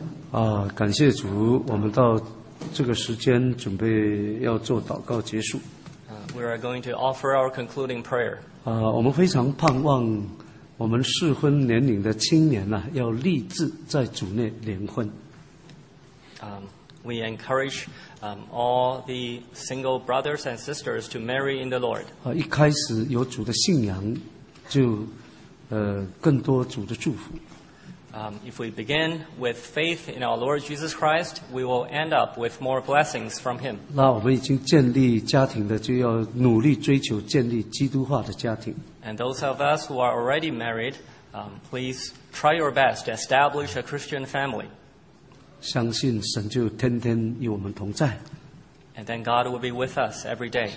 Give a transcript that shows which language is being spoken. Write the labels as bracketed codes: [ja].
[zh] 啊，感谢主，我们到这个时间准备要做祷告结束。 [en] We are going to offer our concluding prayer. [zh] 啊，我们非常盼望我们适婚年龄的青年呢、啊，要立志在主内联婚。 [en] We encourage all the single brothers and sisters to marry in the Lord. [zh] 啊，一开始有主的信仰，就更多主的祝福。 [en] If we begin with faith in our Lord Jesus Christ, we will end up with more blessings from Him. [zh] 那我们已经建立家庭的，就要努力追求建立基督化的家庭。 [en] And those of us who are already married, please try your best to establish a Christian family. [zh] 相信神就天天与我们同在。 [en] And then God will be with us every day.